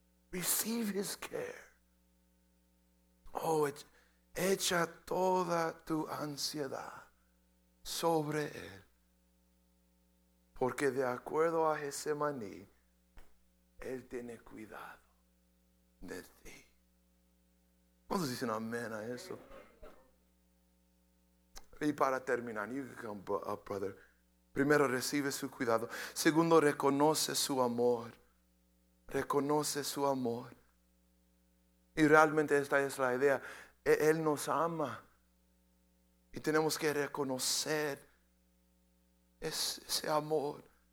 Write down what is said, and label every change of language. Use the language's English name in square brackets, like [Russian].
[English] Receive his care. [Spanish] Oh, echa toda tu ansiedad sobre Él. Porque de acuerdo a Getsemaní, Él tiene cuidado de ti. ¿Cuántos dicen amén a eso? Y para terminar, [English] you can come up, brother. [Spanish] Primero, recibe su cuidado. Segundo, reconoce su amor. Reconoce su amor. Y realmente esta es la idea. Él nos ama. Y tenemos que reconocer ese amor.